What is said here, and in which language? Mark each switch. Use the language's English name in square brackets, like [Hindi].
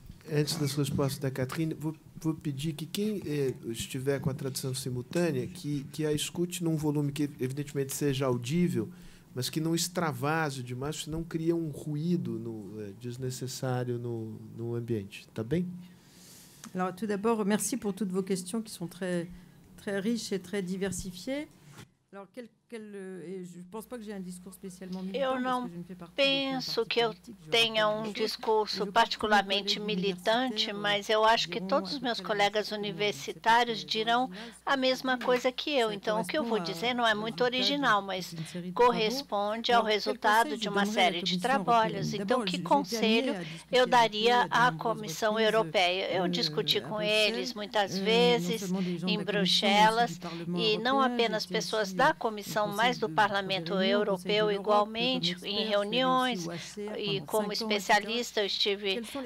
[Portuguese] Antes das respostas da Catherine, vou pedir que quem estiver com a tradução simultânea, que a escute num volume que, evidentemente, seja audível, mas que não extravase demais, senão cria um ruído desnecessário no ambiente. Está bem? [French] Alors, tout d'abord, merci pour toutes vos questions qui sont très, très riches et très diversifiées. Alors, je ne pense pas que j'ai un discours spécialement militant. Je ne pense pas que j'ai un discours particulièrement militant, mais je pense que tous mes collègues universitaires diront la même chose que moi. Donc, ce que je vais dire n'est pas très original, mais correspond au résultat d'une série de travaux. Donc, quel conseil je donnerais à la Commission européenne? Je discutis avec eux, [Portuguese] muitas vezes, em [French] Bruxelles, et non seulement personnes [Portuguese] da Comissão, mas do Parlamento Europeu igualmente, em reuniões e como especialista eu estive...